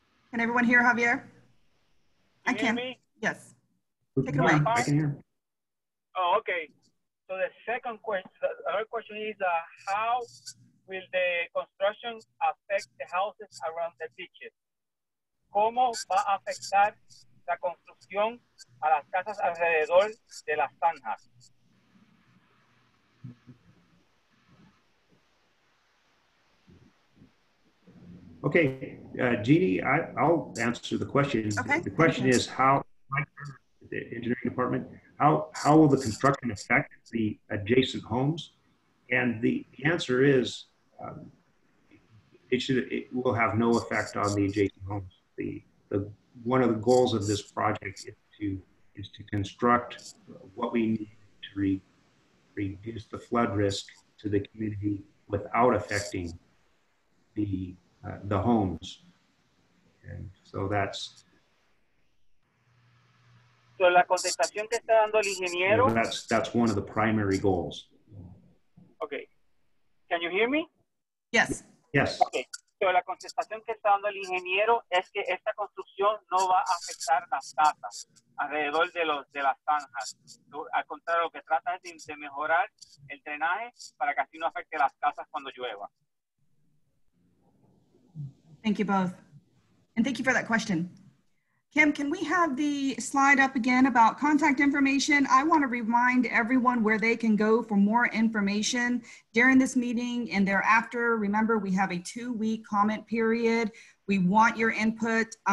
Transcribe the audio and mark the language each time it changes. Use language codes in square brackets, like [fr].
[en] Can everyone hear Javier? Can you I can. Hear me? Yes. Take it away. I can hear. Oh, okay. So the second question, the other question is, how will the construction affect the houses around the beaches? [es] ¿Cómo va a afectar la construcción a las casas alrededor de las zanjas? [en] Okay, Jeannie, I'll answer the question. Okay. The question is how, the engineering department, how will the construction affect the adjacent homes? And the answer is, it will have no effect on the adjacent homes. The one of the goals of this project is to construct what we need to reduce the flood risk to the community without affecting the homes. And so that's. [es] So la contestación que está dando el ingeniero. [en] Yeah, that's one of the primary goals. Okay. Can you hear me? Yes. Yes. Okay. [es] So la contestación que está dando el ingeniero es que esta construcción no va a afectar las casas alrededor de los de las zanjas. Al contrario, lo que trata es de mejorar el drenaje para que así no afecte las casas cuando llueva. [en] Thank you both. And thank you for that question. Kim, can we have the slide up again about contact information? I want to remind everyone where they can go for more information during this meeting and thereafter. Remember, we have a 2-week comment period. We want your input.